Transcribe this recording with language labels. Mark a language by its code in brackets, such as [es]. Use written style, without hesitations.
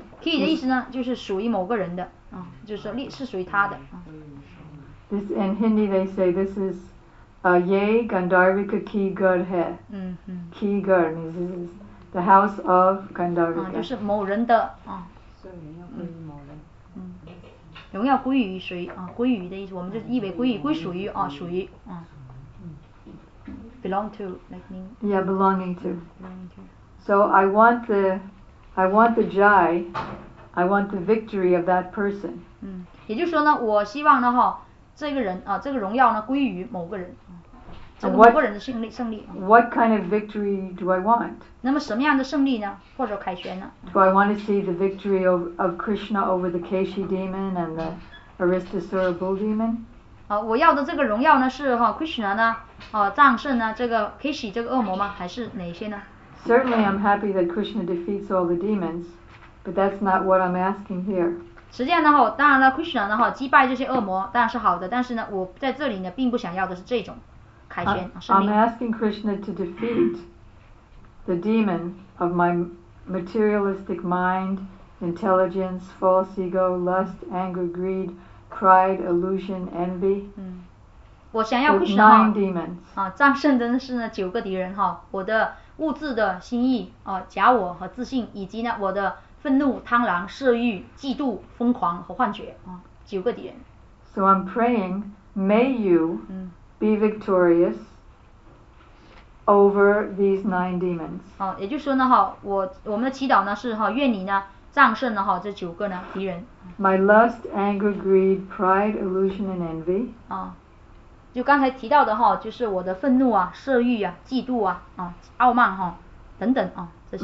[zh] Key 的意思呢，就是属于某个人的，嗯，就是说力是属于他的。嗯、 [en] this in Hindi they say this is a [hi] ye Gandharvika ki ghar hai. 嗯嗯。 Ki ghar [en] means this is the house of Gandharvika.、 [zh] 嗯、就是某人的，嗯。所以荣耀归于某人。嗯。荣耀归于谁？啊，归于的意思，我们就意为归于、归属于啊，属于，嗯。 [en] Belong to, like me. Yeah, belonging to. Belonging to. So I want the jai, I want the victory of that person. [zh] 嗯，也就是说呢，我希望呢哈，这个人啊，这个荣耀呢归于某个人，这个某个人的胜利 [en] what, [zh] 胜利。 [en] What kind of victory do I want? [zh] 那么什么样的胜利呢？或者凯旋呢 [en] ？Do I want to see the victory of Krishna over the Keshi demon and the Aristasura bull demon? [zh] 啊，我要的这个荣耀呢是哈 Krishna 呢，啊战胜呢这个 Keshi 这个恶魔吗？还是哪些呢？ [en] Certainly, I'm happy that Krishna defeats all the demons, but that's not what I'm asking here. [zh] 实际上呢，哈，当然了 ，Krishna 呢，哈，击败这些恶魔当然是好的，但是呢，我在这里呢，并不想要的是这种凯旋胜利。 [en] I'm asking Krishna to defeat the demon of my materialistic mind, intelligence, false ego, lust, anger, greed, pride, illusion, envy. [zh] 嗯，我想要 Krishna 哈，啊，战胜的是呢九个敌人哈，我的。物质的心意、假我和自信以及呢我的愤怒贪婪色欲嫉妒疯狂和幻觉、九个敌人 [en] So I'm praying may you be victorious over these nine demons、 [zh] 也就是说呢我们的祈祷呢是愿你呢战胜了这九个呢敌人 [en] My lust, anger, greed, pride, illusion and envy、 [zh] 就刚才提到的哈，就是我的愤怒啊、色欲啊、嫉妒啊、傲慢哈、等等啊这些。